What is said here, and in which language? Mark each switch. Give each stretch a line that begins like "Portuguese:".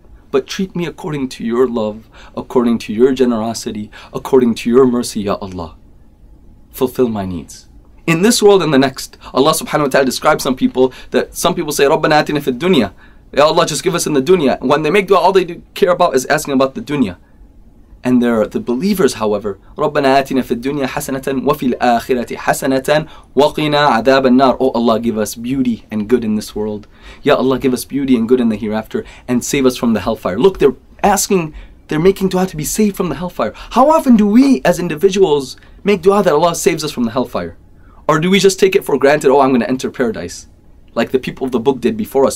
English: But treat me according to your love, according to your generosity, according to your mercy, Ya Allah. Fulfill my needs. In this world and the next, Allah subhanahu wa ta'ala describes some people that some people say, Rabbana atina fid dunya. Ya Allah, just give us in the dunya. When they make dua, all they do care about is asking about the dunya. And there are the believers, however,
Arabic: رَبَّنَا آتِنَا فِي الدُّنْيَا حَسَنَةً وَفِي الْآخِرَةِ حَسَنَةً وَقِنَا عَذَابَ النَّارِ.
English: Oh Allah, give us beauty and good in this world. Ya Allah, give us beauty and good in the hereafter and save us from the hellfire. Look, they're asking, they're making dua to be saved from the hellfire. How often do we as individuals make dua that Allah saves us from the hellfire? Or do we just take it for granted, oh, I'm going to enter paradise, like the people of the book did before us?